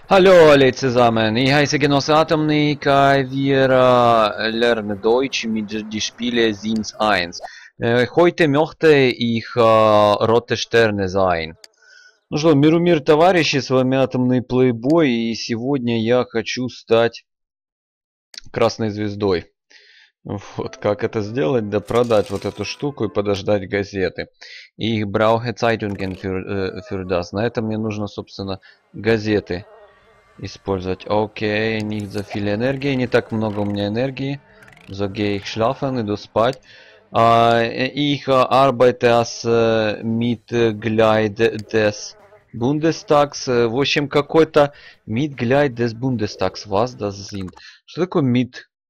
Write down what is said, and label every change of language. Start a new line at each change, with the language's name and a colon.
German: Hallo alle zusammen, ich heiße Genosse Atomny, kai wir lernen Deutsch mit die Spiele Sims 1. Heute möchte ich rote Sterne sein.
Russian: Ну что, миру мир, товарищи, с вами Атомный Плейбой, и сегодня я хочу стать красной звездой. Вот, как это сделать? Да продать вот эту штуку и подождать газеты.
German: Ich brauche Zeitungen für das.
Russian: На этом мне нужно, собственно, газеты использовать. Окей,
German: nicht so viel
Russian: энергии, не так много у меня энергии.
German: So gehe ich schlafen,
Russian: иду спать.
German: Ich arbeite als Mitglied des Bundestags.
Russian: В общем, какой-то
German: Mitglied des Bundestags. Was das sind?
Russian: Что такое Mit?